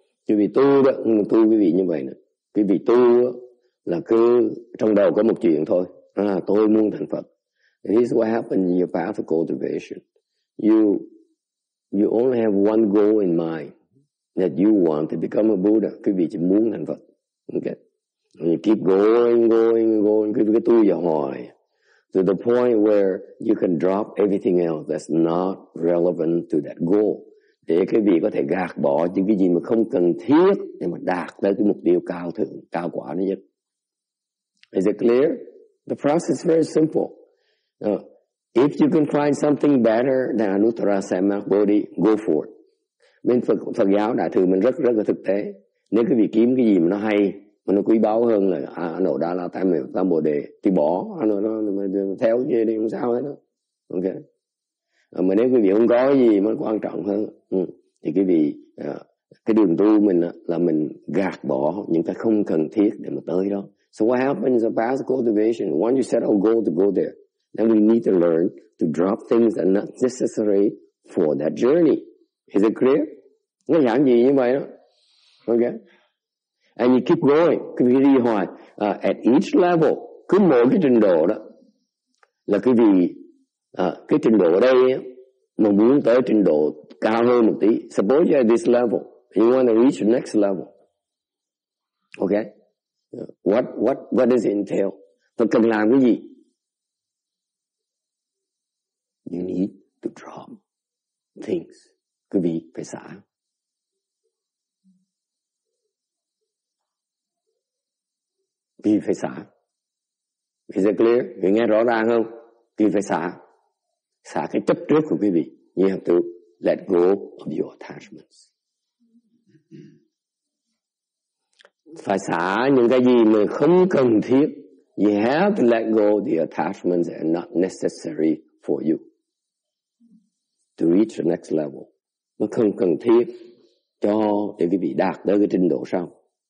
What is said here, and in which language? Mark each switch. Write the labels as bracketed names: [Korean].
[Vietnamese] Quý vị tu đó, tu quý vị như vậy nè. Quý vị tu là cứ trong đầu có một chuyện thôi. À, tôi muốn thành Phật. [English] This is what happens in your path of cultivation. You only have one goal in mind. That you want to become a Buddha. Quý vị chỉ muốn thành Phật. Okay. And you keep going. [Vietnamese] Quý vị cứ tu vào hoài. [English] To the point where you can drop everything else that's not relevant to that goal. [Vietnamese] Để quý vị có thể gạt bỏ những cái gì mà không cần thiết để mà đạt tới cái mục tiêu cao thượng, cao quả nó nhất. [English] Is it clear? The process is very simple. If you can find something better than Anuttara Sammyaprasambodhi, go for it. [Vietnamese] Bên Phật giáo Đại Thừa mình rất là thực tế. Nếu quý vị kiếm cái gì mà nó hay, mà nó quý báu hơn là Anuddha là Tam Miệu Tam Bồ Đề, thì bỏ, nó theo cái gì đi không sao hết đó. Ok. Mà nếu quý vị không có gì mà quan trọng hơn, thì quý vị cái đường tu mình là mình gạt bỏ những cái không cần thiết để mà tới đó. [English] So what happens in the path of cultivation? Once you set a goal to go there, then we need to learn to drop things that are not necessary for that journey. Is it clear? [Vietnamese] Nó giản dị như vậy đó. [English] Okay. And you keep going. [Vietnamese] Quý vị đi hoài. [English] At each level, [Vietnamese] cứ mỗi cái trình độ đó là quý vị cái trình độ ở đây mà muốn tới trình độ cao hơn một tí. [English] Suppose you're at this level, you want to reach the next level. Okay? What does it entail? [Vietnamese] Phật cần làm cái gì? [English] You need to drop things. [Vietnamese] Quý vị phải xả. Quý vị phải xả. [English] Is it clear? [Vietnamese] Quý vị nghe rõ ràng không? Quý vị phải xả. Xả cái chấp trước của quý vị. [English] You have to let go of your attachments. [Vietnamese] Phải xả những cái gì mà không cần thiết. [English] You have to let go the attachments that are not necessary for you to reach the next level. [Vietnamese] Mà không cần thiết cho để quý vị đạt tới cái trình độ sau.